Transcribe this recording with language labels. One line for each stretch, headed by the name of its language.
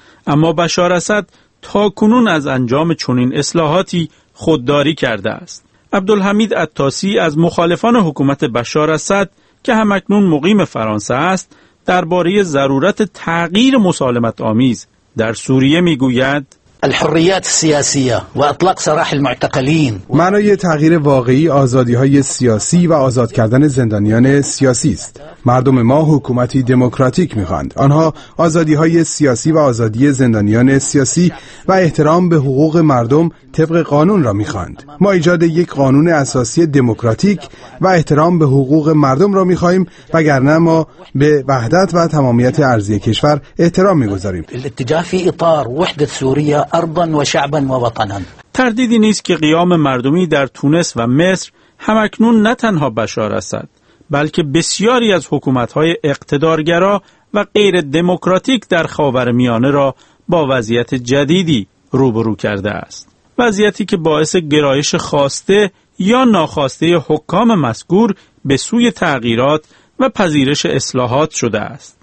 Persian: اما بشار اسد تا کنون از انجام چنین اصلاحاتی خودداری کرده است. عبدالحمید عطاسی از مخالفان حکومت بشار اسد که هم اکنون مقیم فرانسه است درباره ضرورت تغییر مسالمت آمیز در سوریه میگوید
Arabic: الحريات السياسيه واطلاق سراح المعتقلين.
Persian: معنای تغییر واقعی آزادی‌های سیاسی و آزاد کردن زندانیان سیاسی است. مردم ما حکومتی دموکراتیک می‌خواهند. آنها آزادی‌های سیاسی و آزادی زندانیان سیاسی و احترام به حقوق مردم طبق قانون را می‌خواهند. ما ایجاد یک قانون اساسی دموکراتیک و احترام به حقوق مردم را می‌خواهیم، وگرنه ما به وحدت و تمامیت ارضی کشور احترام می‌گذاریم.
Arabic: الاتجاه في اطار وحده سوريا ارضا وشعبا ووطنا.
Persian: تردیدی نیست که قیام مردمی در تونس و مصر هم اکنون نه تنها بشار اسد بلکه بسیاری از حکومت‌های اقتدارگرا و غیر دموکراتیک در خاورمیانه را با وضعیت جدیدی روبرو کرده است. وضعیتی که باعث گرایش خواسته یا ناخواسته حکام مذکور به سوی تغییرات و پذیرش اصلاحات شده است.